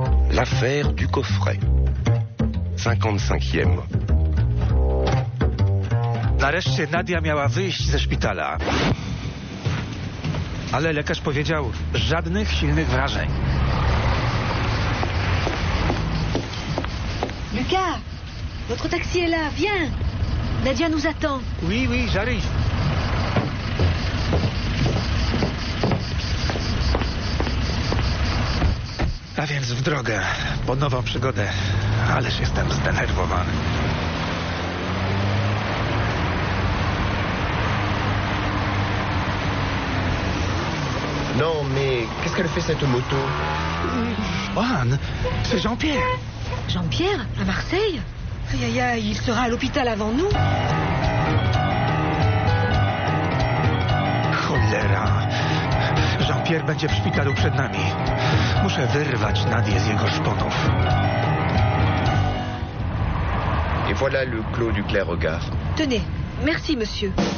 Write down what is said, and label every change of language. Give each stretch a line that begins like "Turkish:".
French: L'affaire du coffret. 55e.
Polish: Nareszcie Nadia miała wyjść ze szpitala. Ale lekarz powiedział, żadnych silnych wrażeń.
French: Lucas, votre taxi est là, viens. Nadia nous attend. Oui, oui, j'arrive.
Polish: A więc w drogę, po nową przygodę. Ależ jestem zdenerwowany.
French: Non, mais qu'est-ce qu'elle fait cette moto? Juan, c'est Jean-Pierre. Jean-Pierre, à Marseille? Aïe, aïe, aïe, il sera à l'hôpital avant nous.
Polish: Cholera. Jean-Pierre będzie w szpitalu przed nami. Muszę wyrwać Nadię z jego szponów.
French: Et voilà le clos du Clergat. Tenez, merci, monsieur.